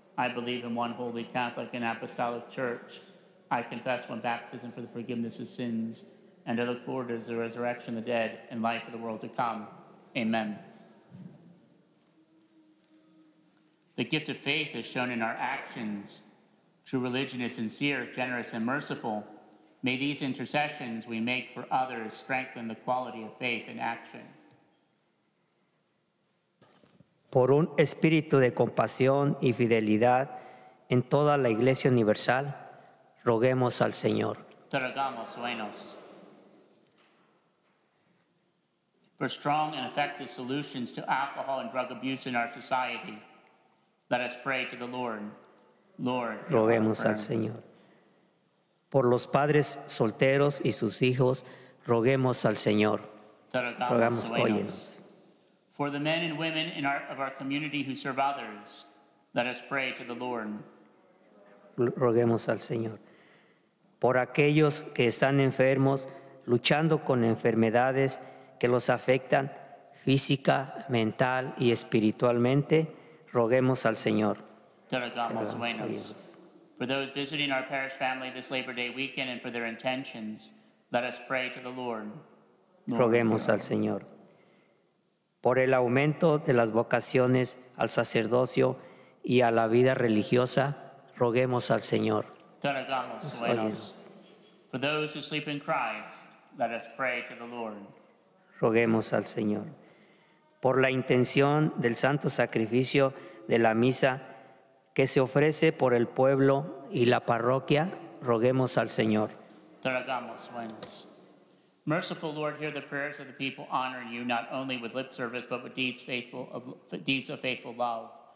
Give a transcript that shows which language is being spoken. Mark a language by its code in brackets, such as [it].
[en] I believe in one holy Catholic and apostolic church. I confess one baptism for the forgiveness of sins, and I look forward to the resurrection of the dead and life of the world to come. Amen. The gift of faith is shown in our actions. True religion is sincere, generous, and merciful. May these intercessions we make for others strengthen the quality of faith in action. [es] Por un espíritu de compasión y fidelidad en toda la Iglesia Universal, roguemos al Señor. Te rogamos, oenos. [en] For strong and effective solutions to alcohol and drug abuse in our society, let us pray to the Lord. Lord, [es] roguemos al Señor. Por los padres solteros y sus hijos, roguemos al Señor. Rogamos, óyenos. [en] For the men and women in our community who serve others, let us pray to the Lord. [es] Roguemos al Señor. Por aquellos que están enfermos, luchando con enfermedades que los afectan física, mental y espiritualmente, roguemos al Señor. Te rogamos, óyenos. [en] For those visiting our parish family this Labor Day weekend and for their intentions, let us pray to the Lord. [es] Roguemos al Señor. Por el aumento de las vocaciones al sacerdocio y a la vida religiosa, roguemos al Señor. Te rogamos, óyenos. [en] For those who sleep in Christ, let us pray to the Lord. [es] Roguemos al Señor. Por la intención del Santo Sacrificio de la Misa que se ofrece por el pueblo y la parroquia, roguemos al Señor. Te rogamos, óyenos. [en] Merciful Lord, hear the prayers of the people honoring you not only with lip service but with deeds of faithful love.